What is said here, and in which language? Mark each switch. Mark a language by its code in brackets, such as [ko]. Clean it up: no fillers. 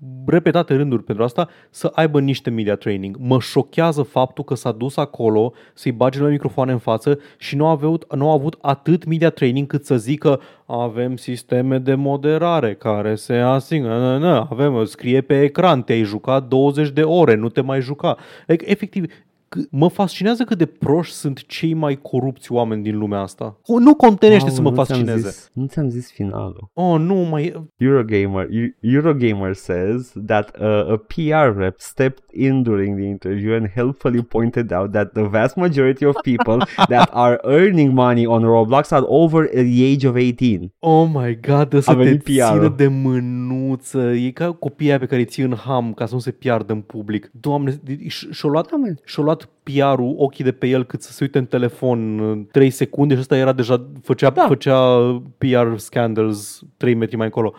[ro] Repetate rânduri pentru asta, să aibă niște media training. Mă șochează faptul că s-a dus acolo să-i bage la microfoane în față și nu a avut atât media training cât să zică avem sisteme de moderare care se asigură. Avem, scrie pe ecran, te-ai jucat 20 de ore, nu te mai juca. Adică, efectiv, mă fascinează cât de proști sunt cei mai corupți oameni din lumea asta. Nu contenește, wow, să mă fascineze. Nu ți-am zis finalul. Oh, nu, mai... [en] Eurogamer says that a PR rep stepped in during the interview and helpfully pointed out that the vast majority of people that are earning money on Roblox are over the age of 18. [ro] Oh my god, să te țină de mânuță. E ca copiii pe care îi ții în ham ca să nu se piardă în public. Doamne, și-o luat PR-ul, ochii de pe el, cât să se uite în telefon 3 secunde și ăsta era deja, făcea PR scandals 3 metri mai încolo.